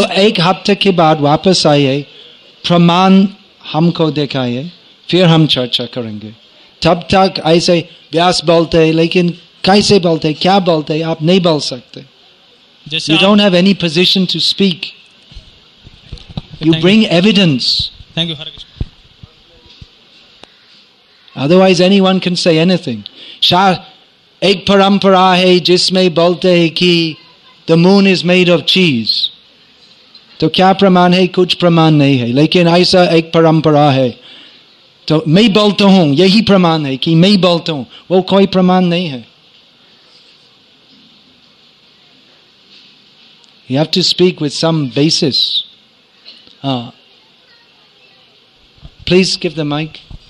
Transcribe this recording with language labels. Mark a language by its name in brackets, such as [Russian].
[Hindi] जी, तो एक हफ्ते के बाद वापस आइए, प्रमाण हमको दिखाइए, फिर हम चर्चा करेंगे। तब तक ऐसे व्यास बोलते है लेकिन कैसे बोलते है, क्या बोलते है, आप नहीं बोल सकते। जैसे [English] You don't have any position to speak, you bring evidence. Thank you Hare Krishna. Otherwise, anyone can say anything. [Hindi] एक परंपरा है जिसमें बोलते हैं कि [English] the moon is made of cheese. [Hindi] तो क्या प्रमाण है? कुछ प्रमाण नहीं है, लेकिन ऐसा एक परंपरा है तो मैं बोलता हूं, यही प्रमाण है कि मैं बोलता हूं, वो कोई प्रमाण नहीं है। [English] You have to speak with some basis. Please give the mic.